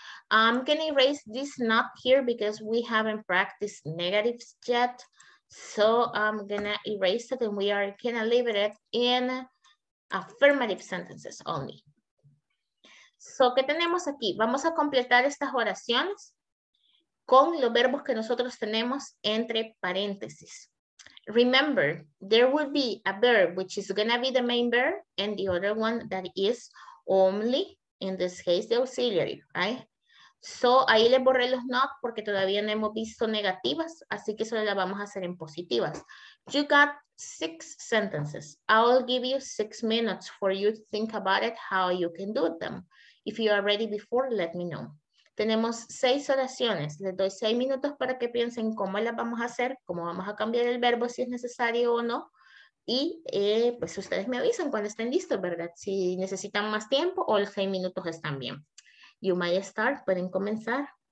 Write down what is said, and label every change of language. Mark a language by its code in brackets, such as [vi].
[en] I'm going to erase this not here because we haven't practiced negatives yet. So I'm going to erase it and we are going to leave it in affirmative sentences only. [es] So, ¿qué tenemos aquí? Vamos a completar estas oraciones con los verbos que nosotros tenemos entre paréntesis. [en] Remember, there will be a verb which is going to be the main verb and the other one that is only, in this case, the auxiliary, right? [es] So, ahí le borré los not porque todavía no hemos visto negativas, así que solo las vamos a hacer en positivas. [en] You got 6 sentences. I'll give you 6 minutes for you to think about it, how you can do them. If you are ready before, let me know. [es] Tenemos 6 oraciones. Les doy 6 minutos para que piensen cómo las vamos a hacer, cómo vamos a cambiar el verbo, si es necesario o no. Y pues ustedes me avisan cuando estén listos, ¿verdad? Si necesitan más tiempo o los 6 minutos están bien. [en] You may start. [es] Pueden comenzar.